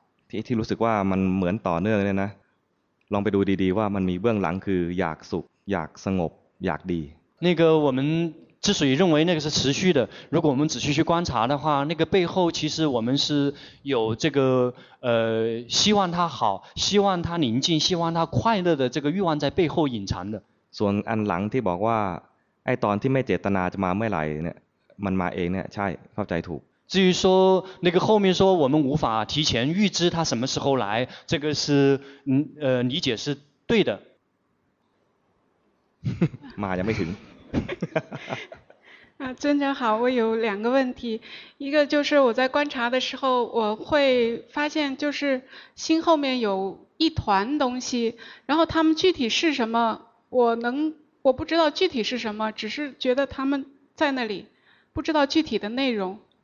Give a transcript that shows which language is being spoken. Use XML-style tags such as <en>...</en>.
<th>ที่รู้สึกว่ามันเหมือนต่อเนื่องเนี่ยนะลองไปดูดีๆว่ามันมีเบื้องหลังคืออยากสุขอยากสงบอยากดี</th> <zh>那个我们之所以认为那个是持续的如果我们仔细去观察的话那个背后其实我们是有这个希望它好希望它宁静希望它快乐的这个欲望在背后隐藏的</zh> <th>ส่วนอันหลังที่บอกว่าไอ้ตอนที่ไม่เจตนาจะมาเมื่อไหร่เนี่ยมันมาเองเนี่ยใช่เข้าใจถูก</th> <zh>至于说那个后面说我们无法提前预知它什么时候来，这个是理解是对的。妈呀，没停。啊，尊者好，我有两个问题，一个就是我在观察的时候，我会发现就是心后面有一团东西，然后他们具体是什么，我不知道具体是什么，只是觉得他们在那里，不知道具体的内容。</zh>